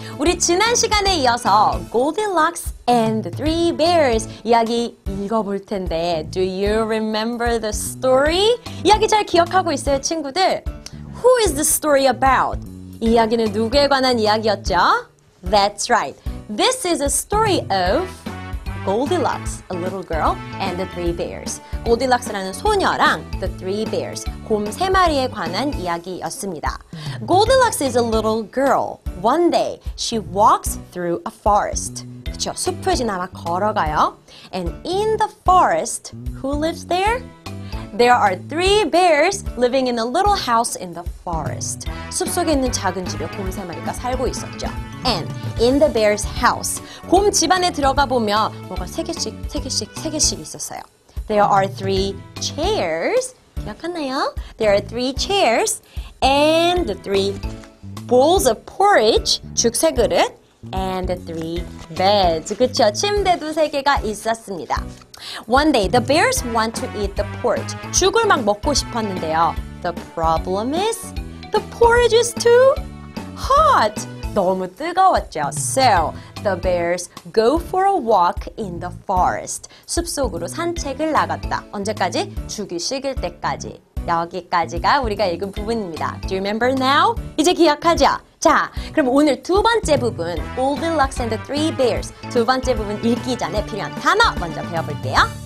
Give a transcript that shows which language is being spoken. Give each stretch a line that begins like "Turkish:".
Korean: 우리 지난 시간에 이어서 Goldilocks and the Three Bears 이야기 읽어볼 텐데
English: Do you remember the story?
Korean: 이야기 잘 기억하고 있어요, 친구들?
English: Who is the story about?
Korean: 이 이야기는 누구에 관한 이야기였죠?
English: That's right. This is a story of Goldilocks, a little girl, and the three bears.
Korean: Goldilocks라는 소녀랑 the three bears, 곰 세 마리에 관한 이야기였습니다.
English: Goldilocks is a little girl. One day, she walks through a forest.
Korean: 그쵸, 숲을 지나마 걸어가요.
English: And in the forest, who lives there? There are three bears living in a little house in the forest.
Korean: 숲속에 있는 작은 집에 곰 세 마리가 살고 있었죠.
English: And in the bear's house,
Korean: 곰 집 안에 들어가 보면 뭐가 세 개씩 있었어요.
English: There are three chairs.
Korean: 기억하나요?
English: There are three chairs and the three bowls of porridge,
Korean: 죽 세 그릇,
English: and the three beds.
Korean: 그쵸? 침대도 세 개가 있었습니다.
English: One day, the bears want to eat the porridge.
Korean: 죽을 막 먹고 싶었는데요.
English: The problem is, the porridge is too hot.
Korean: 너무 뜨거웠죠.
English: So, the bears go for a walk in the forest.
Korean: 숲속으로 산책을 나갔다. 언제까지? 죽이 식을 때까지. 여기까지가 우리가 읽은 부분입니다.
English: Do you remember now?
Korean: 이제 기억하죠? 자, 그럼 오늘 두 번째 부분, Goldilocks and the Three Bears. 두 번째 부분 읽기 전에 필요한 단어 먼저 배워볼게요.